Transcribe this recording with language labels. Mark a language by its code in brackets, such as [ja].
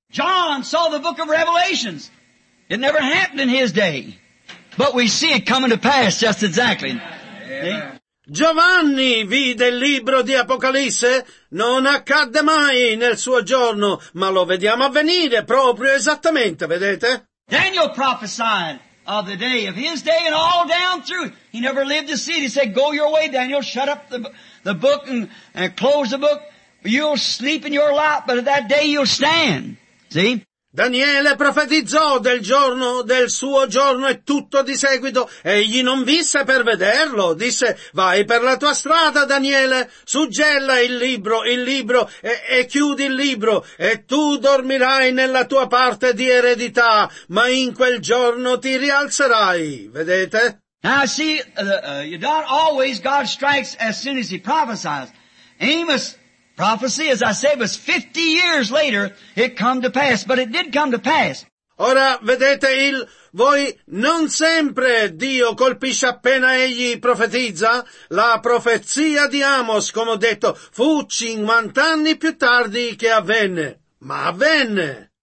[en] John saw the book of Revelations. It never happened in his day. But we see it coming to pass just exactly. Amen. [it] Giovanni vide il libro di Apocalisse. Non accadde mai nel suo giorno, ma lo vediamo avvenire proprio esattamente, vedete? [en] Daniel prophesied of the day, of his day and all down through. He never lived to see it. He said, go your way, Daniel. Shut up the book and close the book. You'll sleep in your lap, but at that day you'll stand. See? [it] Daniele profetizzò del giorno, del suo giorno e tutto di seguito. Egli non visse per vederlo. Disse, vai per la tua strada, Daniele, suggella il libro e chiudi il libro e tu dormirai nella tua parte di eredità, ma in quel giorno ti rialzerai. Vedete? [en] Now see, you don't always God strikes as soon as he prophesies. Amos prophecy, as I said, was 50 years later it come to pass, but it did come to pass. [it] Ora vedete voi non sempre Dio colpisce appena egli profetizza. La profezia di Amos, come ho detto, fu 50 anni più tardi che avvenne, ma avvenne.